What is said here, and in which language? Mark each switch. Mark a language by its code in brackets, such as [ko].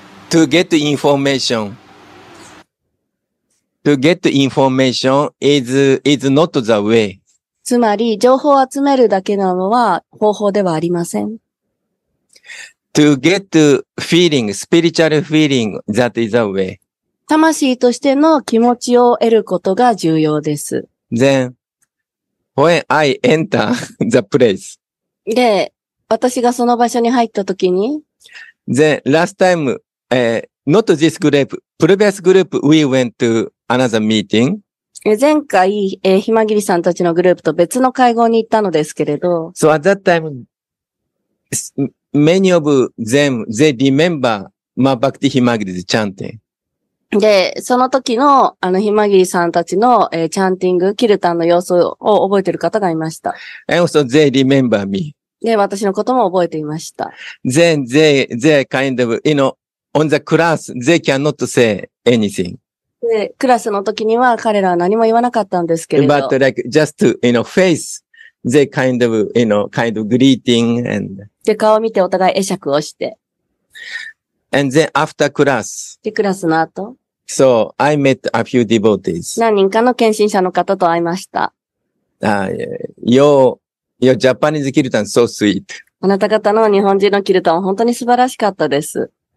[en] To get information. To get information is not the way. [ja] つまり、情報を集めるだけなのは方法ではありません。 [en] To get feeling, spiritual feeling, that is the way. [ja] 魂としての気持ちを得ることが重要です。 [en] Then, when I enter the place. [ja] で、私がその場所に入ったときに、 [en] Then, last time, not this group, previous group, we went to another meeting. [ja] 前回、ひまぎりさんたちのグループと別の会合に行ったのですけれど、 [en] So at that time, many of them, they remember Ma Bhakti Himagiri's chanting. [ja] で、その時の、ひまぎりさんたちの、チャンティング、キルタンの様子を覚えている方がいました。 [en] And also they remember me. [ja] で、私のことも覚えていました。 [en] Then they kind of, you know, on the class, they cannot say anything. [ja] で、クラスの時には彼らは何も言わなかったんですけれど。 [en] But like, just to, you know, face, they kind of, you know, kind of greeting and... [ja] で、顔を見てお互い会釈をして。 [en] And then after class. [ja] で、クラスの後。 [en] So, I met a few devotees. [ja] 何人かの献身者の方と会いました。 [en] Your Japanese kirtan is so sweet. [ja] あなた方の日本人のキルタンは本当に素晴らしかったです。